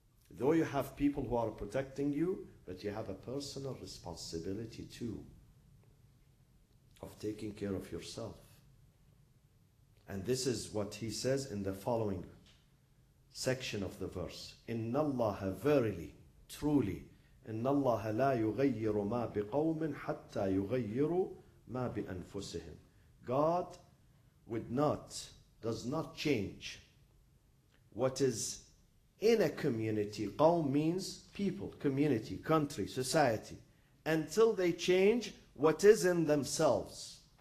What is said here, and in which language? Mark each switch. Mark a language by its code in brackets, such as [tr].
[en] Though you have people who are protecting you, but you have a personal responsibility too of taking care of yourself. And this is what he says in the following section of the verse. [ar] إِنَّ اللَّهَ [en] verily, truly, [ar] إِنَّ اللَّهَ لَا يُغَيِّرُ مَا بِقَوْمٍ حَتَّى يُغَيِّرُ مَا بِأَنفُسِهِمْ. [en] God would not, does not change what is in a community. قَوْم means people, community, country, society, until they change what is in themselves.